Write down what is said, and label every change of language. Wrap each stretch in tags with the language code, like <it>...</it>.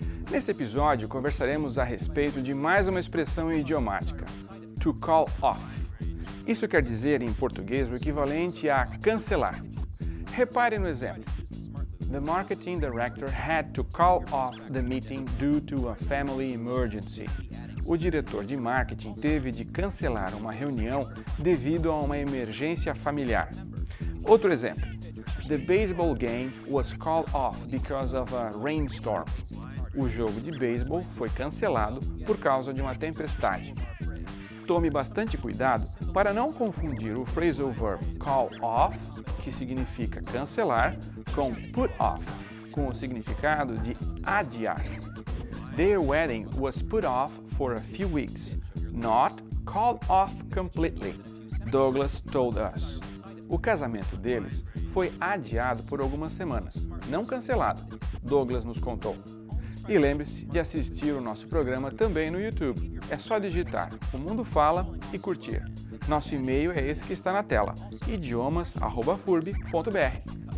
<pt>Nesse episódio, conversaremos a respeito de mais uma expressão idiomática, to call off. Isso quer dizer, em português, o equivalente a cancelar. Repare no exemplo.</pt> <en>The marketing director had to call off the meeting due to a family emergency.</en> <pt>O diretor de marketing teve de cancelar uma reunião devido a uma emergência familiar. Outro exemplo.</pt> <en>The baseball game was called off because of a rainstorm.</en> <pt>O jogo de beisebol foi cancelado por causa de uma tempestade. Tome bastante cuidado para não confundir o phrasal verb call off, que significa cancelar, com put off, com o significado de adiar.</pt> <en>Their wedding was put off for a few weeks, not called off completely, Douglas told us.</en> <pt>O casamento deles foi adiado por algumas semanas, não cancelado, Douglas nos contou. E lembre-se de assistir o nosso programa também no YouTube. É só digitar O Mundo Fala e curtir. Nosso e-mail é esse que está na tela, idiomas@furb.br.</pt>